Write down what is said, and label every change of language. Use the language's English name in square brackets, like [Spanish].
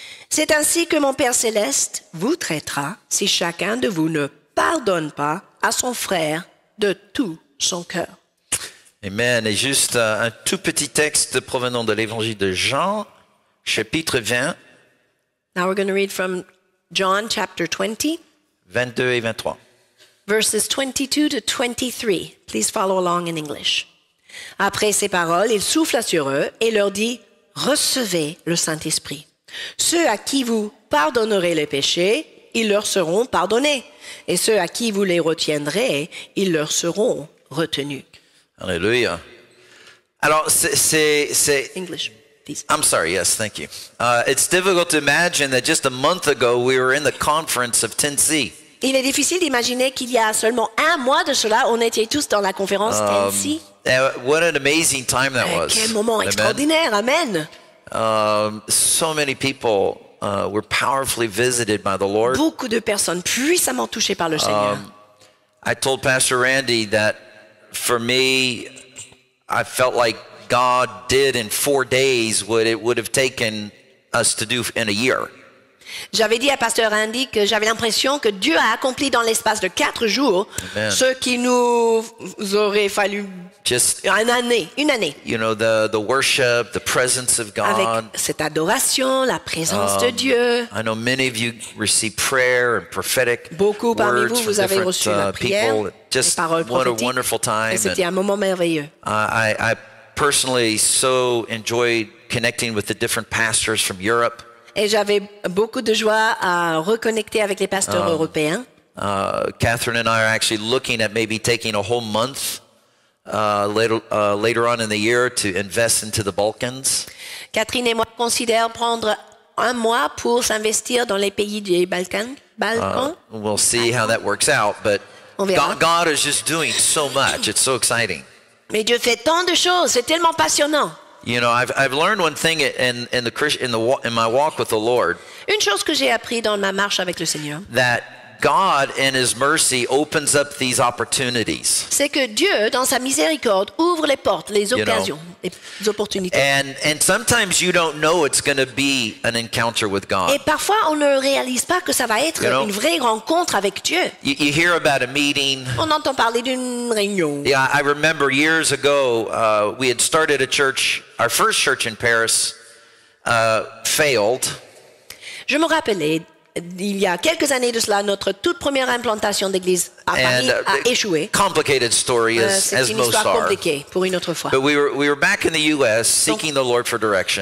[French] C'est ainsi que mon Père Céleste vous traitera si chacun de vous ne pardonne pas à son frère de tout son cœur. Amen. Et juste un tout petit texte provenant de l'évangile de Jean, chapitre 20. [English] Now we're going to read from John chapter 20, [French] 22 et 23. [English] Verses 22 to 23. Please follow along in English. [French] Après ces paroles, il souffla sur eux et leur dit, recevez le Saint-Esprit. Ceux à qui vous pardonnerez les péchés, ils leur seront pardonnés. Et ceux à qui vous les retiendrez, ils leur seront retenus. Alléluia. Alors, c'est... [English] English. I'm sorry, yes, thank you. It's difficult to imagine that just a month ago we were in the conference of Tennessee. [French] Il est difficile d'imaginer qu'il y a seulement un mois de cela, on était tous dans la conférence Tennessee. [English] What an amazing time that was. [French] Quel moment extraordinaire, amen. [English] So many people were powerfully visited by the Lord. [French] Beaucoup de personnes puissamment touchées par le Seigneur. [English] I told Pastor Randy that for me, I felt like God did in 4 days what it would have taken us to do in a year. [French] J'avais dit à Pasteur Andy que j'avais l'impression que Dieu a accompli dans l'espace de 4 jours. Amen. Ce qui nous aurait fallu [English] just [French] une année. [English] You know, the worship, the presence of God. [French] Avec cette adoration, la présence de Dieu. [English] I know many of you received prayer and prophetic. [French] Beaucoup [English] words [French] parmi vous avez reçu la prière, les paroles prophétiques. [English] What a wonderful time. [French] Et c'était un moment merveilleux. [English] I personally so enjoyed connecting with the different pastors from Europe. [French] Et j'avais beaucoup de joie à reconnecter avec les pasteurs européens. [English] Catherine and I are actually looking at maybe taking a whole month later on in the year to invest into the Balkans. [French] Catherine et moi considèrent prendre un mois pour s'investir dans les pays des Balkans. [English] We'll see how that works out, but God is just doing so much. It's so exciting. [French] Mais Dieu fait tant de choses, c'est tellement passionnant. [English] You know, I've learned one thing in my walk with the Lord. [French] Une chose que j'ai appris dans ma marche avec le Seigneur. [English] That God in his mercy opens up these opportunities. [French] C'est que Dieu dans sa miséricorde ouvre les portes, les occasions, les opportunités. [English] And sometimes you don't know it's going to be an encounter with God. [French] Et parfois on ne réalise pas que ça va être une vraie rencontre avec Dieu. [English] You hear about a meeting. [French] On entend parler d'une réunion. [English] Yeah, I remember years ago, we had started a church, our first church in Paris failed. [French] Je me rappelais il y a quelques années de cela, notre toute première implantation d'église à Paris a échoué. [English] Complicated story as [French] c'est une histoire compliquée pour une autre fois. [English] But we were back in the US seeking the Lord for direction.